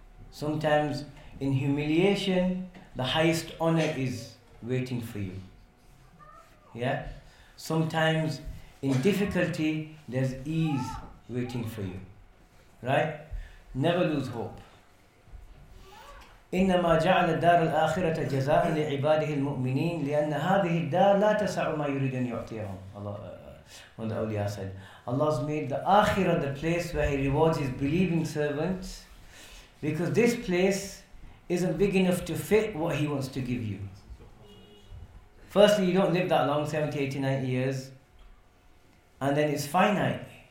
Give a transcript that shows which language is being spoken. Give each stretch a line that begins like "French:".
English: Sometimes in humiliation, the highest honor is waiting for you. Yeah? Sometimes in difficulty, there's ease waiting for you. Right? Never lose hope.
Arabic: إنما جعل الدار الآخرة جزاء لعباده المؤمنين لأن هذه الدار لا تسع ما يريد أن يعطيهم.
English: When the awliya said, Allah's made the akhirah the place where He rewards His believing servants, because this place isn't big enough to fit what He wants to give you. Firstly, you don't live that long, 70, 80, 90 years, and then it's finite.